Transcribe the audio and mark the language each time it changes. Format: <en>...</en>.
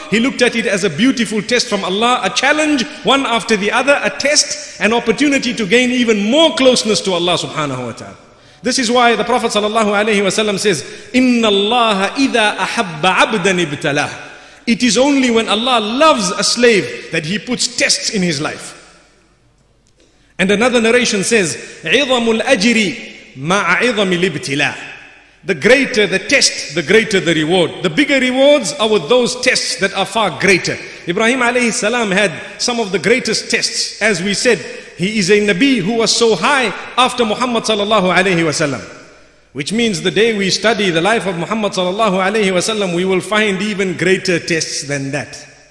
<en>He looked at it as a beautiful test from Allah, a challenge one after the other, a test, an opportunity to gain even more closeness to Allah subhanahu wa ta'ala. This is why the Prophet sallallahu alayhi wa sallam says,</en> <ar>إِنَّ اللَّهَ إِذَا أَحَبَّ عَبْدًا ابْتَلَاهُ.</ar> <en>It is only when Allah loves a slave that He puts tests in his life. And another narration says,</en> <ar>عِظَمُ الْأَجْرِ مَعَ عِظَمِ الْإِبْتِلَى.</ar> <en>The greater the test, the greater the reward. The bigger rewards are with those tests that are far greater. Ibrahim alayhi salam had some of the greatest tests. As we said, he is a Nabi who was so high after Muhammad sallallahu alayhi wa sallam. Which means the day we study the life of Muhammad sallallahu alayhi wa sallam, we will find even greater tests than that.</en>